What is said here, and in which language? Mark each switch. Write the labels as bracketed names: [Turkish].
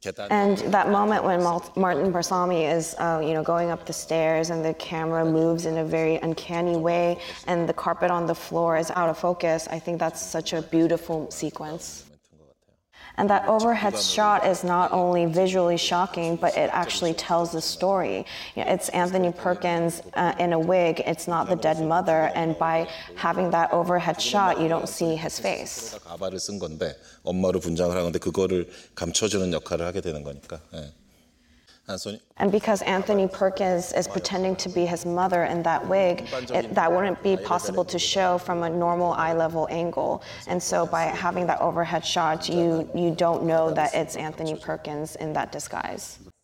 [English] And that moment when Martin Barsamy is, you know, going up the stairs and the camera moves in a very uncanny way and the carpet on the floor is out of focus, I think that's such a beautiful sequence. And that overhead shot is not only visually shocking, but it actually tells the story. You know, it's Anthony Perkins in a wig, it's not the dead mother, and by having that overhead shot, you don't see his face. [Korean] 가발을 쓴 건데, 엄마로 분장을 하는데 그거를 감춰주는 역할을 하게 되는 거니까. 예. [English] And because Anthony Perkins is pretending to be his mother in that wig, that wouldn't be possible to show from a normal eye level angle. And so by having that overhead shot, you don't know that it's Anthony Perkins in that disguise.